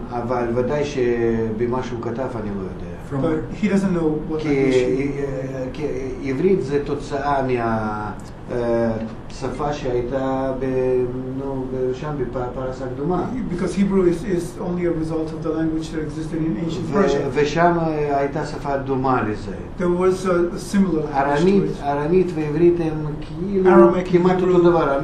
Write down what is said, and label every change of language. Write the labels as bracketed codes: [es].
[he] אבל ודאי שבמה שהוא כתב אני לא יודע. [en] But he doesn't know what language. [he] עברית זה תוצאה מהשפה שהייתה שם בפרס הקדומה. [en] Because Hebrew is only a result of the language that existed in ancient Persia. [he] ושם הייתה שפה דומה לזה. [en] There was a similar language. [he] ארמית ועברית הם כמעט אותו דבר.